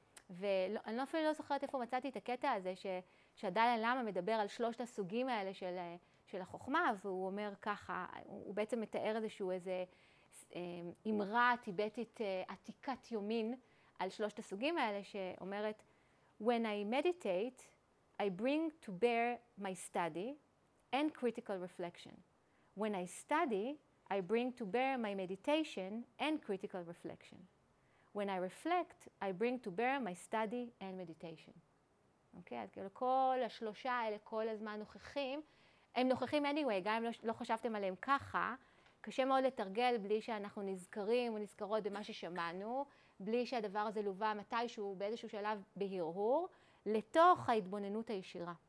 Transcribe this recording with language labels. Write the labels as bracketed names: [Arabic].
[Hebrew] ואני אפילו לא זוכרת איפה מצאתי את הקטע הזה שדלאי לאמה מדבר על שלושת הסוגים האלה של החוכמה, והוא אומר ככה, הוא בעצם מתאר איזשהו איזה אמרה טיבטית עתיקת יומין על שלושת הסוגים האלה שאומרת, [English] When I meditate, I bring to bear my study and critical reflection. When I study, I bring to bear my meditation and critical reflection. When I reflect, I bring to bear my study and meditation. [Hebrew] אוקיי? אז כאילו כל השלושה האלה כל הזמן נוכחים, הם נוכחים anyway, גם אם לא חשבתם עליהם ככה, קשה מאוד לתרגל בלי שאנחנו נזכרים ונזכרות במה ששמענו, בלי שהדבר הזה לובה מתישהו באיזשהו שלב בהרהור, לתוך ההתבוננות הישירה.